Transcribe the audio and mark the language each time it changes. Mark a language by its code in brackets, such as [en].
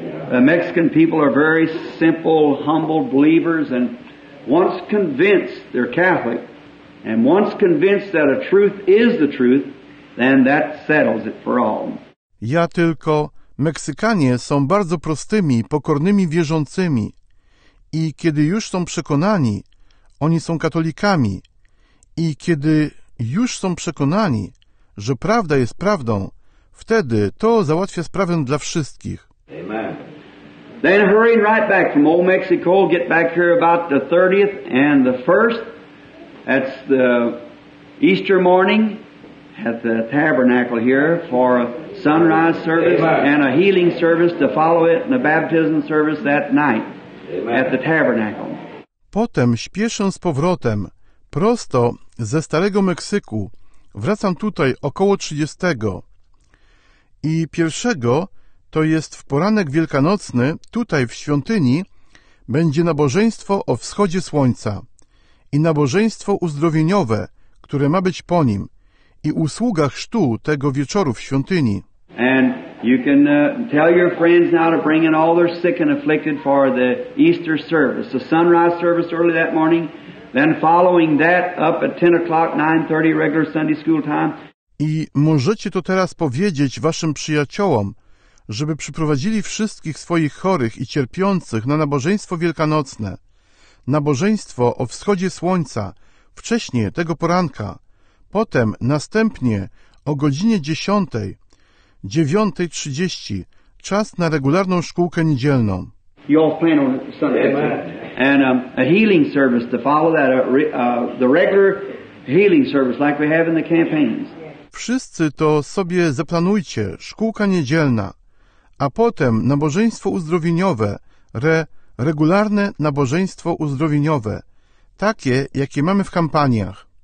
[en] The Mexican people are very simple, humble believers, and once convinced they're Catholic, and once convinced that a truth is the truth, then that settles it for all. [pl] Ja tylko, Meksykanie są bardzo prostymi, pokornymi wierzącymi. I kiedy już są przekonani, oni są katolikami. I kiedy już są przekonani, że prawda jest prawdą, wtedy to załatwia sprawę dla wszystkich. [en] Amen. Then hurry right back from Old Mexico, get back here about the 30th and the 1st. That's the Easter morning at the tabernacle here for a sunrise service. Amen. And a healing service to follow it and a baptism service that night. Amen. At the tabernacle. [pl] Potem śpieszę z powrotem prosto ze Starego Meksyku. Wracam tutaj około 30. I pierwszego, to jest w poranek wielkanocny, tutaj w świątyni, będzie nabożeństwo o wschodzie słońca i nabożeństwo uzdrowieniowe, które ma być po nim i usługa chrztu tego wieczoru w świątyni. [en] And you can tell your friends now to bring in all their sick and afflicted for the Easter service, the sunrise service early that morning. Then following that up at 10 o'clock, 9:30 regular Sunday school time. [pl] I możecie to teraz powiedzieć waszym przyjaciołom, żeby przyprowadzili wszystkich swoich chorych i cierpiących na nabożeństwo wielkanocne. Nabożeństwo o wschodzie słońca, wcześniej tego poranka. Potem następnie o godzinie 10, 9:30, czas na regularną szkółkę niedzielną. [en] You all plan on Sunday. Amen. And a healing service to follow that, the regular healing service like we have in the campaigns. [pl] Wszyscy to sobie zaplanujcie, szkółka niedzielna, a potem nabożeństwo uzdrowieniowe, regularne nabożeństwo uzdrowieniowe, takie, jakie mamy w kampaniach.